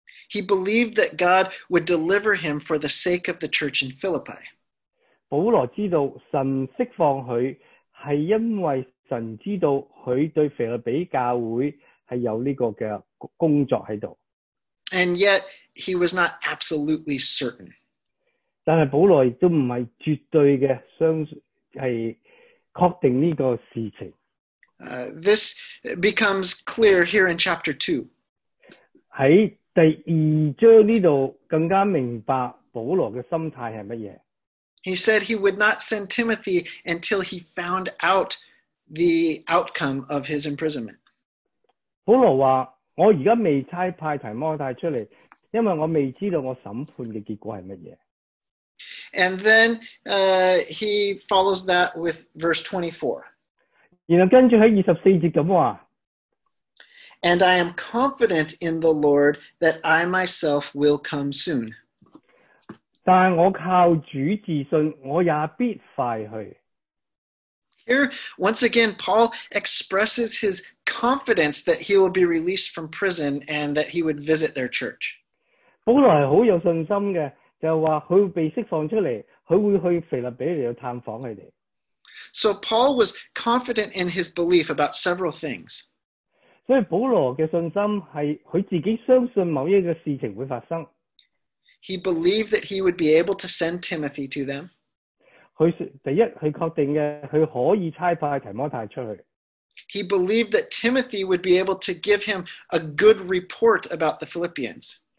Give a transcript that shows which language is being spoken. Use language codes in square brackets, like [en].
[en] He believed that God would deliver him for the sake of the church in Philippi. [zh] 保罗知道神释放他是因为神知道他对腓立比教会是有这个的工作在这里。 [en] And yet, he was not absolutely certain. [zh] 但是保罗也不是绝对的相信，是确定这个事情。 [en] This becomes clear here in chapter 2. [zh] 在第二章这里更加明白保罗的心态是什么。 [en] He said he would not send Timothy until he found out the outcome of his imprisonment. [zh] 保罗说，我现在未差派提摩太出来，因为我未知道我审判的结果是什么。 [en] And then he follows that with verse 24. [zh] 然后跟着在24节这么说。 [en] And I am confident in the Lord that I myself will come soon. [zh] 但我靠主自信，我也必快去。 [en] Here, once again, Paul expresses his confidence that he will be released from prison and that he would visit their church. [zh] 保罗是很有信心的, 就是说他被释放出来, 他会去腓立比来探访他们。 [en] So Paul was confident in his belief about several things. [zh] 所以保罗的信心是他自己相信某一个事情会发生。 [en] He believed that he would be able to send Timothy to them. [zh] 他确定的,他可以差派提摩太出去。 [en] He believed that Timothy would be able to give him a good report about the Philippians.